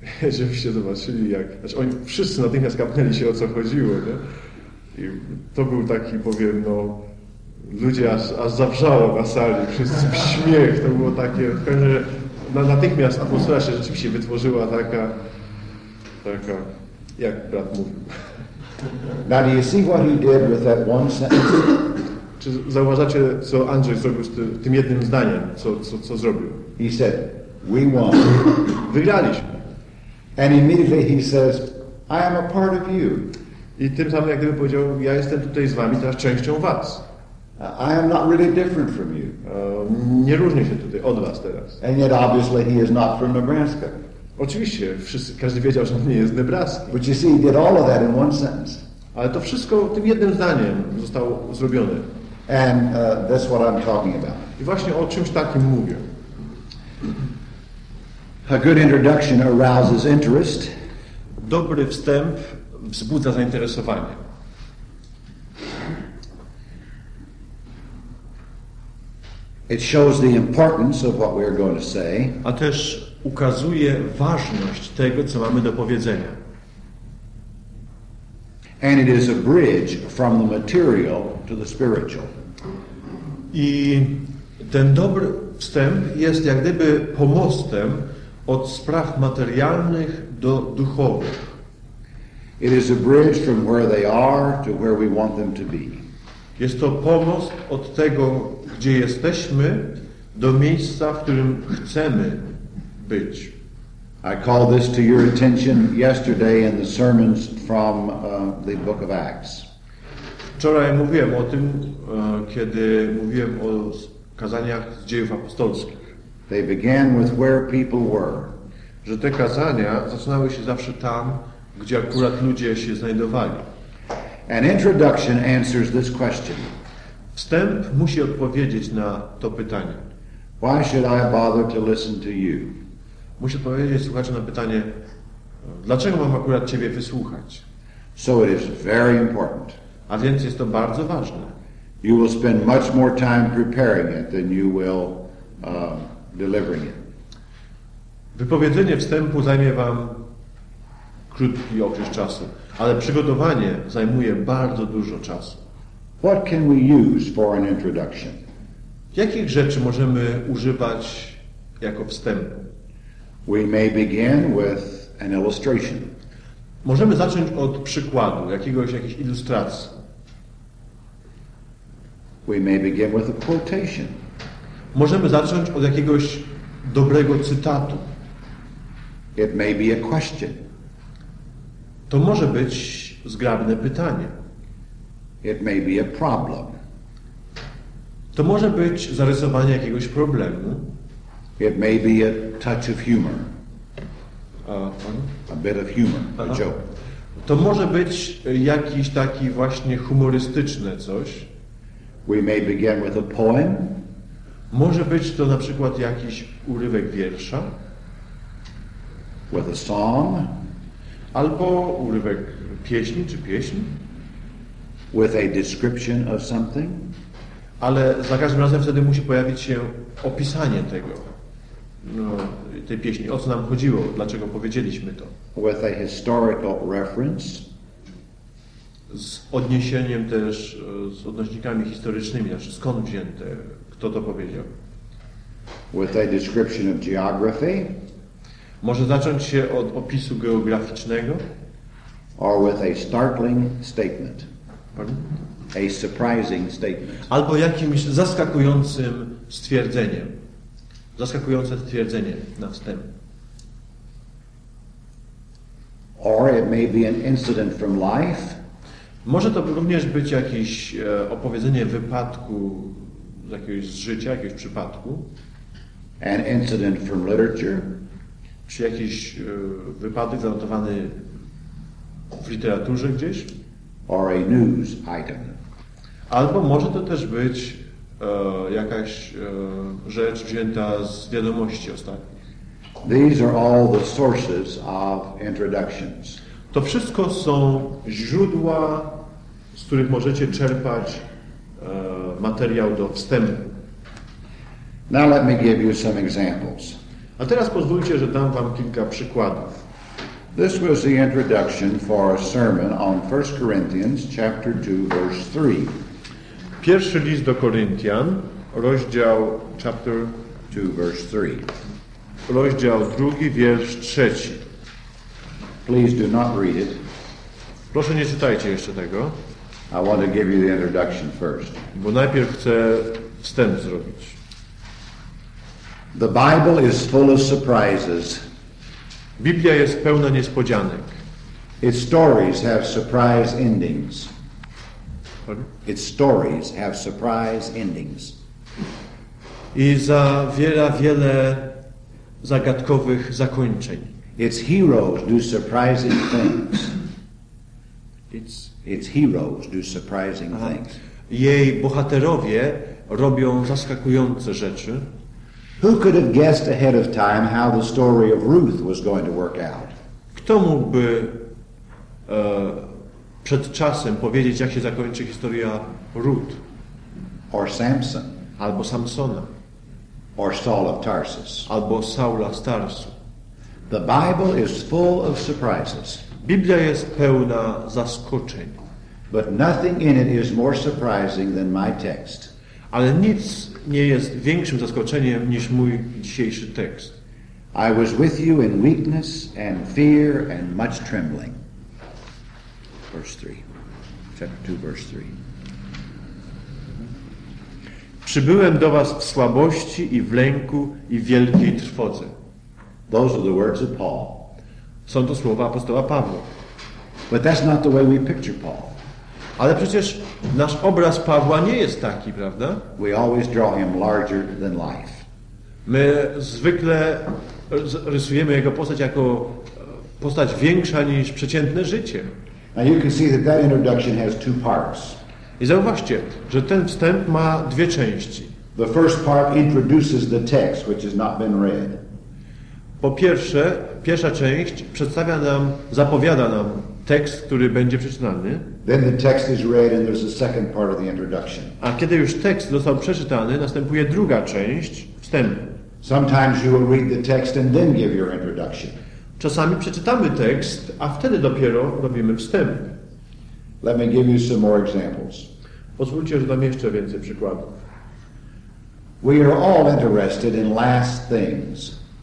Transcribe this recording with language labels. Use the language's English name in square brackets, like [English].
[Polish] Żebyście zobaczyli, jak... Znaczy, oni wszyscy natychmiast kapnęli się, o co chodziło, nie? I to był taki, powiem, no... Ludzie aż zawrzało na sali, wszyscy w śmiech, to było takie... Natychmiast atmosfera się rzeczywiście wytworzyła taka... Taka... Jak brat mówił. [English] Now, do you see what he did with that one sentence? [Polish] Czy zauważacie, co Andrzej zrobił z tym jednym zdaniem, co zrobił? [English] He said, we won. [Polish] Wygraliśmy. [English] And immediately he says, I am a part of you. [Polish] I tym samym jak gdyby powiedział, ja jestem tutaj z wami, teraz częścią was. [English] I am not really different from you. [Polish] Nie różnię się tutaj od was teraz. [English] And yet obviously he is not from Nebraska. [Polish] Oczywiście, każdy wiedział, że on nie jest z Nebraski. [English] But you see, he did all of that in one sentence. [Polish] Ale to wszystko tym jednym zdaniem zostało zrobione. [English] And that's what I'm talking about. [Polish] I właśnie o czymś takim mówię. [English] A good introduction arouses interest. [Polish] Dobry wstęp wzbudza zainteresowanie. [English] It shows the importance of what we are going to say. [Polish] A też ukazuje ważność tego, co mamy do powiedzenia. [English] And it is a bridge from the material to the spiritual. [Polish] I ten dobry wstęp jest jak gdyby pomostem od spraw materialnych do duchowych. [English] It is a bridge from where they are to where we want them to be. [Polish] Jest to pomost od tego, gdzie jesteśmy, do miejsca, w którym chcemy być. [English] I call this to your attention yesterday in the sermons from the book of Acts. [Polish] Wczoraj mówiłem o tym, kiedy mówiłem o kazaniach z Dziejów Apostolskich. [English] They began with where people were. [Polish] Że te kazania zaczynały się zawsze tam, gdzie akurat ludzie się znajdowali. [English] An introduction answers this question. [Polish] Wstęp musi odpowiedzieć na to pytanie. [English] Why should I bother to listen to you? [Polish] Musi odpowiedzieć słuchaczu na pytanie, dlaczego mam akurat ciebie wysłuchać? [English] So it is very important. [Polish] A więc jest to bardzo ważne. [English] You will spend much more time preparing it than you will delivering it. [Polish] Wypowiedzenie wstępu zajmie wam krótki okres czasu, ale przygotowanie zajmuje bardzo dużo czasu. [English] What can we use for an introduction? [Polish] Jakich rzeczy możemy używać jako wstępu? [English] We may begin with an illustration. [Polish] Możemy zacząć od przykładu, jakiejś ilustracji. [English] We may begin with a quotation. [Polish] Możemy zacząć od jakiegoś dobrego cytatu. [English] It may be a question. [Polish] To może być zgrabne pytanie. [English] It may be a problem. [Polish] To może być zarysowanie jakiegoś problemu. [English] It may be a touch of humor. A bit of humor, a joke. [Polish] To może być jakiś taki właśnie humorystyczne coś. [English] We may begin with a poem. [Polish] Może być to na przykład jakiś urywek wiersza. [English] With a song. [Polish] Albo urywek pieśni czy pieśń. [English] With a description of something. [Polish] Ale za każdym razem wtedy musi pojawić się opisanie tego. No, tej pieśni. O co nam chodziło? Dlaczego powiedzieliśmy to? [English] With a historical reference. [Polish] Z odniesieniem też, z odnośnikami historycznymi, znaczy skąd wzięte, kto to powiedział. [English] With a description of geography. [Polish] Może zacząć się od opisu geograficznego. [English] or with a startling statement. Pardon? A surprising statement. [Polish] Albo jakimś zaskakującym stwierdzeniem. Zaskakujące stwierdzenie na wstęp. [English] Or it may be an incident from life. [Polish] Może to również być jakieś opowiedzenie wypadku z jakiegoś z życia, jakiegoś przypadku. [English] An incident from literature. [Polish] Czy jakiś wypadek zanotowany w literaturze gdzieś. [English] Or a news item. [Polish] Albo może to też być jakaś rzecz wzięta z wiadomości ostatnich. [English] These are all the sources of introductions. [Polish] To wszystko są źródła, z których możecie czerpać materiał do wstępu. [English] Now let me give you some examples. [Polish] A teraz pozwólcie, że dam wam kilka przykładów. [English] This was the introduction for a sermon on 1 Corinthians chapter 2 verse 3. [Polish] Pierwszy list do Koryntian, rozdział chapter [English] 2 verse 3. [Polish] Rozdział 2, wiersz 3. [English] Please do not read it. [Polish] Proszę nie czytajcie jeszcze tego. [English] I want to give you the introduction first. [Polish] Bo najpierw chcę wstęp zrobić. [English] The Bible is full of surprises. [Polish] Biblia jest pełna niespodzianek. [English] Its stories have surprise endings. Pardon? Its stories have surprise endings. [Polish] I zawiera wiele zagadkowych zakończeń. [English] Its heroes do surprising things. Its heroes do surprising things. [Polish] Jej bohaterowie robią zaskakujące rzeczy. [English] Who could have guessed ahead of time how the story of Ruth was going to work out? [Polish] Kto mógłby przed czasem powiedzieć, jak się zakończy historia Ruth? [English] Or Samson? [Polish] Albo Samsona? [English] Or Saul of Tarsus? [Polish] Albo Saula z Tarsu? [English] The Bible is full of surprises. [Polish] Biblia jest pełna zaskoczeń. [English] But nothing in it is more surprising than my text. [Polish] Ale nic nie jest większym zaskoczeniem niż mój dzisiejszy tekst. [English] I was with you in weakness and fear and much trembling. Verse 3. Chapter 2, verse 3. [Polish] Przybyłem do was w słabości i w lęku i w wielkiej trwodze. [English] Those are the words of Paul. [Polish] Są to słowa apostoła Pawła. [English] But that's not the way we picture Paul. [Polish] Ale przecież nasz obraz Pawła nie jest taki, prawda? [English] We always draw him larger than life. [Polish] My zwykle rysujemy jego postać jako postać większa niż przeciętne życie. [English] Now you can see that that introduction has two parts. [Polish] I zauważcie, że ten wstęp ma dwie części. [English] The first part introduces the text, which has not been read. [Polish] Po pierwsze, pierwsza część przedstawia nam, zapowiada nam tekst, który będzie przeczytany. [English] Then the text is read and there's a second part of the introduction. [Polish] A kiedy już tekst został przeczytany, następuje druga część wstępu. [English] Sometimes you will read the text and then give your introduction. [Polish] Czasami przeczytamy tekst, a wtedy dopiero robimy wstęp. [English] Let me give you some more examples. [Polish] Pozwólcie, że dam jeszcze więcej przykładów. [English] We are all interested in last things.